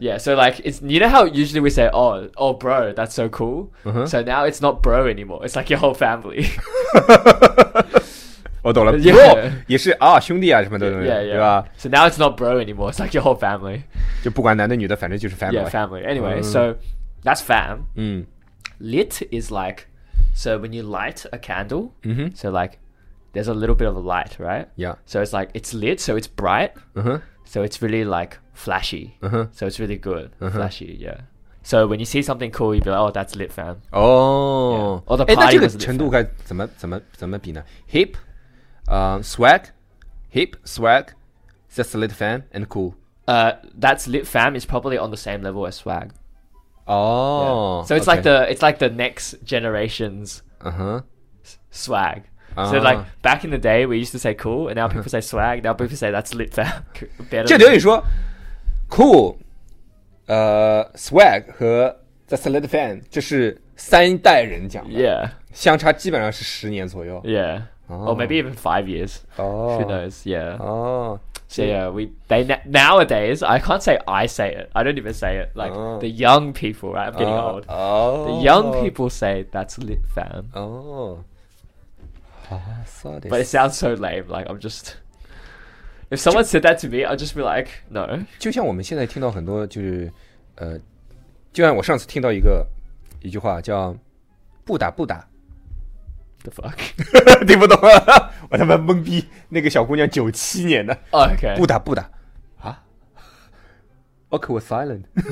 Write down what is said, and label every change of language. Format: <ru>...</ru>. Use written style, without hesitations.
<en>Yeah, so like, it's, you know how usually we say, oh bro, that's so cool? So now it's not bro anymore. It's like your whole family.</en> <zh>我懂了 bro 也是啊兄弟啊什么的</zh> <en>yeah.</en> <zh>对吧</zh> <en>So now it's not bro anymore It's like your whole family</en> <zh>就不管男的女的反正就是 family</zh> <en>Yeah family Anyway so That's fam Lit is like So when you light a candle So like There's a little bit of a light right Yeah So it's like It's lit so it's bright So it's really like Flashy So it's really good Flashy yeah So when you see something cool You'd be like Oh that's lit fam Oh Or the party</en> <zh>那这个程度该怎么比呢</zh> <en>Hipswag, hip, swag, that's lit fam, and cool. That's lit fam is probably on the same level as swag. Oh, yeah. So it's, okay. like the, it's like the next generation's swag. So like back in the day, we used to say cool, and now people say swag, now people say that's lit fam.</en> <zh>这等于说 cool, swag 和</zh> <en>that's lit fam,</en> <zh>这是三代人讲的。</zh> <en>Yeah.</en> <zh>相差基本上是十年左右。</zh> <en>Yeah. Or maybe even 5 years. Oh. Who knows? Yeah. Oh. So yeah, nowadays, I can't say I say it. I don't even say it. Like, the young people, right? I'm getting old. Oh. The young people say that's lit fam. Oh. But it sounds so lame. Like, I'm just... If someone said that to me, I'd just be like, no.</en> <zh>就像我们现在听到很多就是、就像我上次听到一句话叫不打不打。</zh> <en>The fuck?</en> <zh>听不懂啊！我他妈懵逼。那个小姑娘97年的。</zh> <en>OK。</en> <zh>不打不打。啊 ？</zh> <en>OK, was silent.</en>